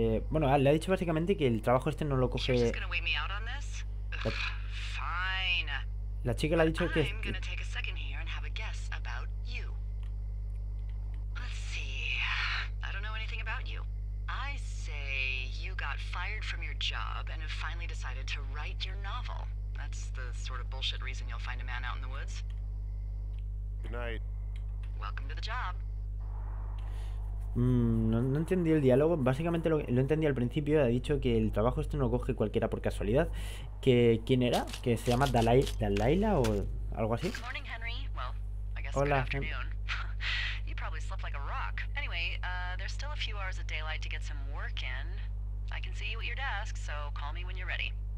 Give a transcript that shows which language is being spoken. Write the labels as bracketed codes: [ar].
[es] Bueno, le ha dicho básicamente que el trabajo este no lo [en] You're just [es] coge. [en] gonna wait me out on this? Ugh, fine. [es] La chica le ha dicho [en] I'm gonna take a second here and have a guess about you. Let's see. I don't know anything about you. I say you got fired from your job and have finally decided to write your novel. That's the sort of bullshit reason you'll find a man out in the woods. Good night. Welcome to the job. [es] No entendí el diálogo. Básicamente lo entendí al principio. Ha dicho que el trabajo este no lo coge cualquiera por casualidad. Que ¿quién era? Que se llama Dalila o algo así. [en] Morning, Henry. Well, I guess good [es] Hola. [en] afternoon. You probably slept like a rock. Anyway, there's still a few hours of daylight to get some work in. I can see you at your desk, so call me when you're ready.